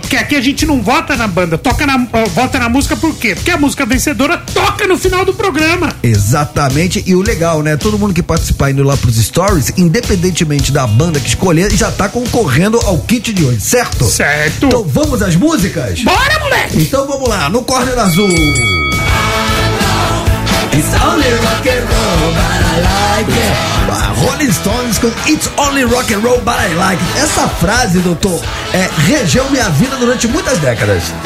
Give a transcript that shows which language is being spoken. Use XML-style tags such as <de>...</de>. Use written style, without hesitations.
<pt>Porque aqui a gente não vota na banda. Vota na música por quê? Porque a música vencedora toca no final do programa. Exatamente, e o legal, né? Todo mundo que participar indo lá pros stories, independentemente da banda que escolher, já tá concorrendo ao kit de hoje, certo? Certo. Então vamos às músicas? Bora, moleque! Então vamos lá, no Corner Azul. Ah, não,</pt> <en>it's only rock and roll, but I like it.</en> <pt>Rolling Stones com It's Only Rock and Roll, but I like it. Essa frase, doutor, regeu minha vida durante muitas décadas.</pt>